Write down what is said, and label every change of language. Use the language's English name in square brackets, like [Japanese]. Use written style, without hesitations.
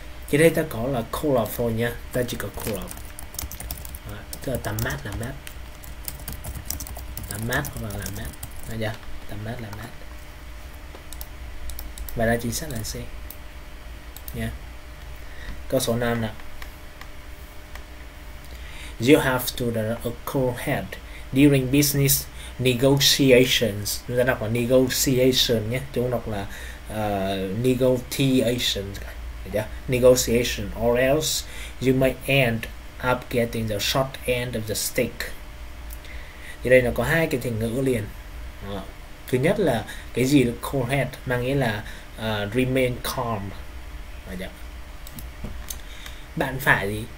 [Vietnamese] Thì đây ta có là color phone nha, ta chỉ có color, tức là tắm mát làm mát, tắm mát hoặc là làm mát, được chưa? Tắm mát làm mát, và đây chính xác là C nha. Câu số 5 nè. [English] You have to the a cool head during business negotiations. [Vietnamese] Chúng ta đọc là negotiation nhé, chúng đọc là negotiation, yeah. [English] Negotiation, or else you may end up getting the short end of the stick. [Vietnamese] Thì đây nó có hai cái thành ngữ liền. Thứ nhất là cái gì là cool head, mang nghĩa là [English] remain calm, [Vietnamese] yeah. Bạn phải gì?